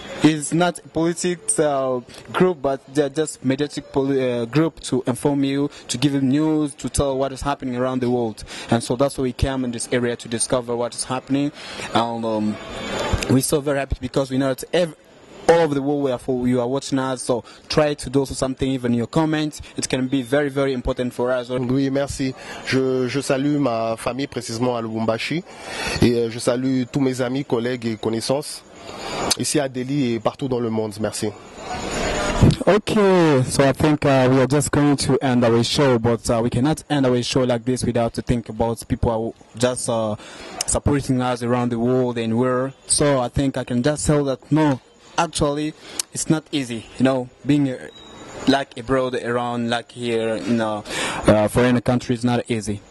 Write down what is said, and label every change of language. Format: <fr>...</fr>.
<en>It's not a political group, but they're just mediatic group to inform you, to give you news, to tell what is happening around the world. And so that's why we came in this area, to discover what is happening. And we're so very happy because we know that all over the world where you are watching us, so try to do something, even your comments, it can be very very important for us.</en> <fr>Oui, merci. Je salue ma famille précisément à Lubumbashi et je salue tous mes amis, collègues et connaissances ici à Delhi et partout dans le monde. Merci.</fr> <en>Okay, so I think we are just going to end our show, but we cannot end our show like this without to think about people who just supporting us around the world and where. So I think I can just tell that no, actually, it's not easy, you know, being like abroad, around, like here, you know, foreign country is not easy.</en>